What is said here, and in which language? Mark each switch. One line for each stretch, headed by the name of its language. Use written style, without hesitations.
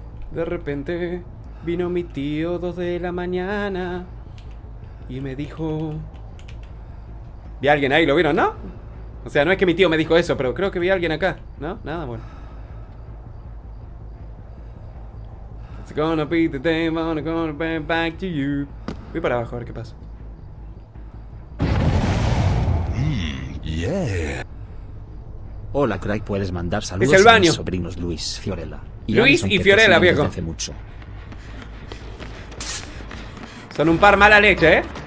Spanish: De repente vino mi tío 2 de la mañana y me dijo... ¿Vi a alguien ahí? ¿Lo vieron, no? O sea, no es que mi tío me dijo eso, pero creo que vi a alguien acá, ¿no? Nada, bueno.
English: It's gonna be the day, I'm gonna be back to you.
Spanish: Voy para abajo a ver qué pasa.
English: Yeah.
Spanish: Hola, Craig, puedes mandar saludos a mis sobrinos Luis, Fiorella. Luis y Fiorella, viejo. Hace mucho. Son un par mala leche, ¿eh?